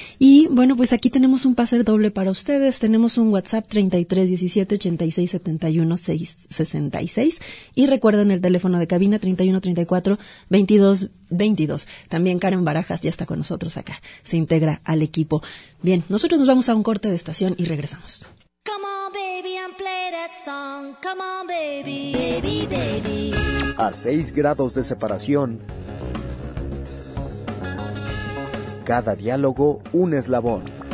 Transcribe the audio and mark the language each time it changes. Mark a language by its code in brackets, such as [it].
[es] Y bueno, pues aquí tenemos un pase doble para ustedes. Tenemos un WhatsApp 3317-8671-666. Y recuerden el teléfono de cabina 3134-2222. También Karen Barajas ya está con nosotros acá. Se integra al equipo. Bien, nosotros nos vamos a un corte de estación y regresamos. [en] Come on, baby, and play that song. Come on, baby, baby, baby. [es] A 6 grados de separación, cada diálogo un eslabón.